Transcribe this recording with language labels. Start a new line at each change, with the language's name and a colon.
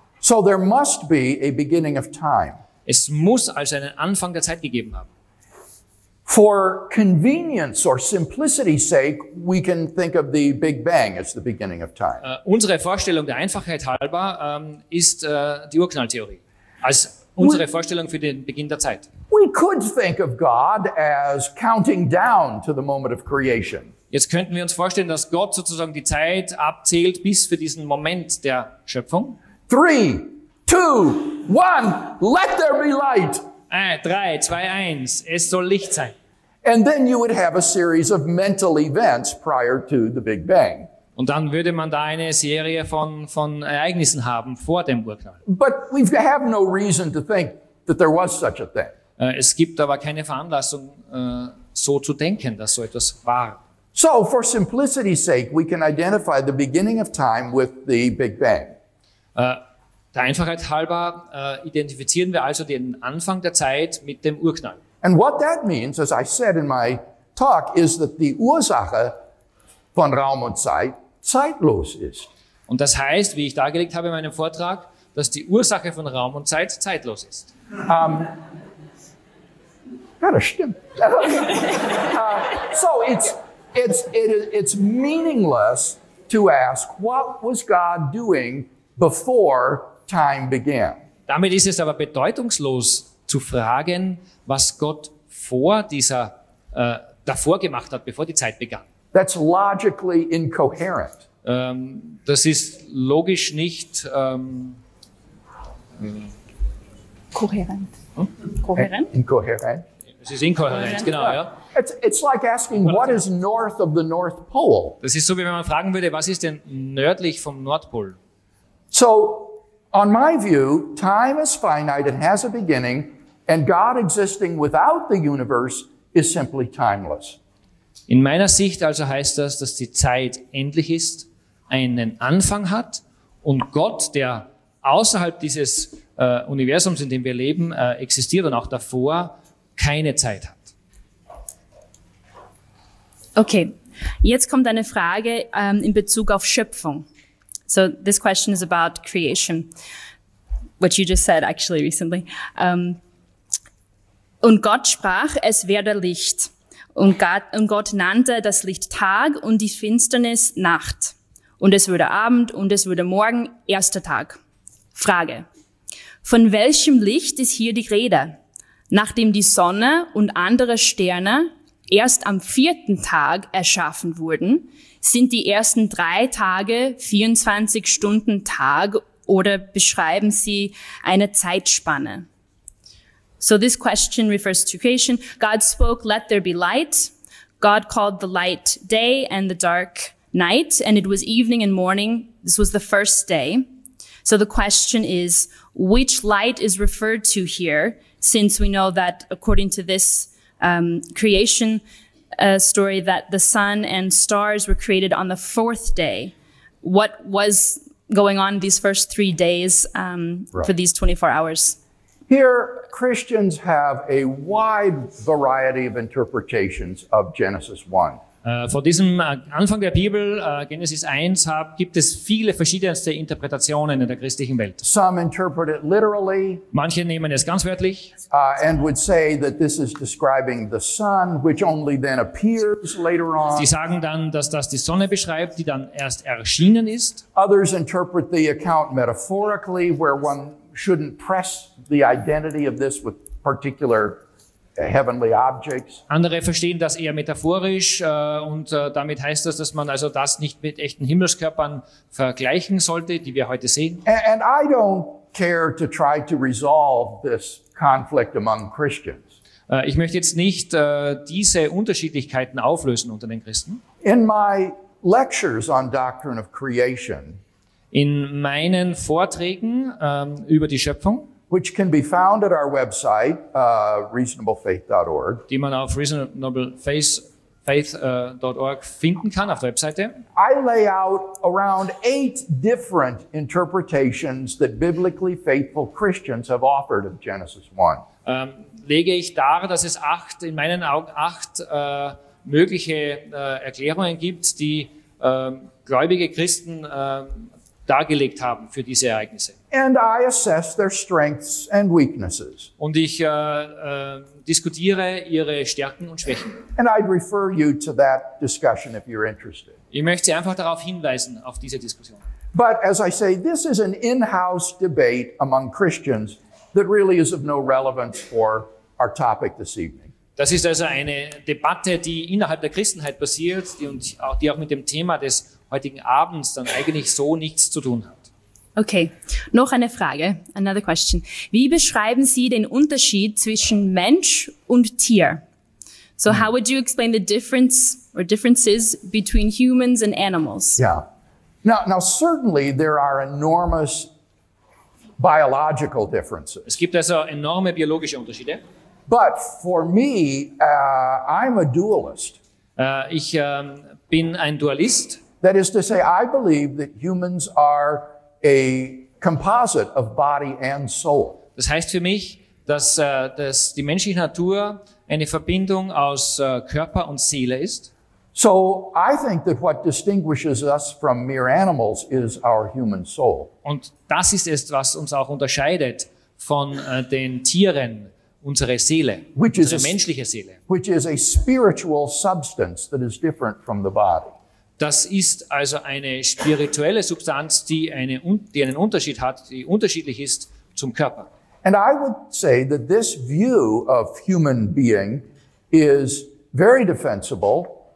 English: So there must be a beginning of time.
German: Es muss also einen Anfang der Zeit gegeben haben.
English: For convenience or simplicity's sake, we can think of the Big Bang as the beginning of time.
German: Unsere Vorstellung der Einfachheit halber ist die Urknalltheorie als unsere Vorstellung für den Beginn der Zeit.
English: We could think of God as counting down to the moment of creation.
German: Jetzt könnten wir uns vorstellen, dass Gott sozusagen die Zeit abzählt bis für diesen Moment der Schöpfung.
English: 3, 2, 1, let there be light.
German: 3, 2, 1, es soll Licht sein.
English: And then you would have a series of mental events prior to the Big Bang.
German: Und dann würde man da eine Serie von Ereignissen haben vor dem Urknall.
English: But we have no reason to think that there was such a thing.
German: Es gibt aber keine Veranlassung, so zu denken, dass so etwas war.
English: So, for simplicity's sake, we can identify the beginning of time with the Big Bang.
German: Der Einfachheit halber identifizieren wir also den Anfang der Zeit mit dem Urknall.
English: And what that means, as I said in my talk, is that the
German: Ursache von Raum und Zeit zeitlos ist. Und das heißt, wie ich dargelegt habe in meinem Vortrag, dass die Ursache von Raum und Zeit zeitlos ist. Ja, das stimmt.
English: So, it's meaningless to ask, what was God doing before time began?
German: Damit ist es aber bedeutungslos zu fragen, was Gott vor dieser davor gemacht hat, bevor die Zeit begann.
English: That's logically incoherent.
German: Das ist logisch nicht kohärent. Kohärent? Inkohärent. Es ist inkohärent, genau, ja.
English: It's like asking what is north of the North Pole.
German: Das ist so wie wenn man fragen würde, was ist denn nördlich vom Nordpol?
English: So on my view, time is finite, it has a beginning, and God existing without the universe is simply timeless.
German: In meiner Sicht also heißt das, dass die Zeit endlich ist, einen Anfang hat und Gott, der außerhalb dieses Universums, in dem wir leben, existiert und auch davor keine Zeit hat. Okay, jetzt kommt eine Frage in Bezug auf Schöpfung.
English: So this question is about creation, what you just said actually recently.
German: Und Gott sprach, es werde Licht. Und Gott nannte das Licht Tag und die Finsternis Nacht. Und es wurde Abend und es wurde Morgen, erster Tag. Frage. Von welchem Licht ist hier die Rede? Nachdem die Sonne und andere Sterne erst am vierten Tag erschaffen wurden, sind die ersten drei Tage 24 Stunden Tag oder beschreiben sie eine Zeitspanne?
English: So this question refers to creation. God spoke, let there be light. God called the light day and the dark night, and it was evening and morning. This was the first day. So the question is, which light is referred to here, since we know that according to this creation story that the sun and stars were created on the fourth day. What was going on these first 3 days for these 24 hours? Here, Christians have a wide variety of interpretations of Genesis 1.
German: Vor diesem Anfang der Bibel, Genesis 1, gibt es viele verschiedenste Interpretationen in der christlichen Welt.
English: Some interpret it literally.
German: Manche nehmen es ganz wörtlich.
English: And would say that this is describing the sun, which only then appears later on.
German: Sie sagen dann, dass das die Sonne beschreibt, die dann erst erschienen ist.
English: Others interpret the account metaphorically, where one shouldn't press the identity of this with particular heavenly objects.
German: Andere verstehen das eher metaphorisch und damit heißt das, dass man also das nicht mit echten Himmelskörpern vergleichen sollte, die wir heute sehen.
English: And I don't care to try to resolve this conflict among Christians.
German: Ich möchte jetzt nicht diese Unterschiedlichkeiten auflösen unter den Christen.
English: In my lectures on doctrine of creation,
German: in meinen Vorträgen über die Schöpfung,
English: which can be found at our website, reasonablefaith.org.
German: Die man auf reasonablefaith.org finden kann, auf der Webseite.
English: I lay out around 8 different interpretations that biblically faithful Christians have offered of Genesis 1.
German: Lege ich dar, dass es 8, in meinen Augen 8 mögliche Erklärungen gibt, die gläubige Christen dargelegt haben für diese Ereignisse.
English: And I assess their strengths and weaknesses.
German: Und ich diskutiere ihre Stärken und Schwächen.
English: And I'd refer you to that discussion if you're interested.
German: Ich möchte Sie einfach darauf hinweisen auf diese Diskussion.
English: But as I say, this is an in-house debate among Christians that really is of no relevance for our topic this evening.
German: Das ist also eine Debatte, die innerhalb der Christenheit passiert, die auch mit dem Thema des heutigen Abends dann eigentlich so nichts zu tun hat. Okay, noch eine Frage,
English: another question.
German: Wie beschreiben Sie den Unterschied zwischen Mensch und Tier?
English: So how would you explain the difference or differences between humans and animals? Yeah. Now certainly there are enormous biological differences.
German: Es gibt also enorme biologische Unterschiede.
English: But for me, I'm a dualist.
German: Ich bin ein Dualist.
English: That is to say, I believe that humans are a composite of body and soul.
German: Das heißt für mich, dass die menschliche Natur eine Verbindung aus Körper und Seele ist.
English: So I think that what distinguishes us from mere animals is our human soul.
German: Und das ist es, was uns auch unterscheidet von den Tieren, unsere Seele, unsere menschliche Seele.
English: Which is a spiritual substance that is different from the body.
German: Das ist also eine spirituelle Substanz, die einen Unterschied hat, die unterschiedlich ist zum Körper.
English: And I would say that this view of human being is very defensible.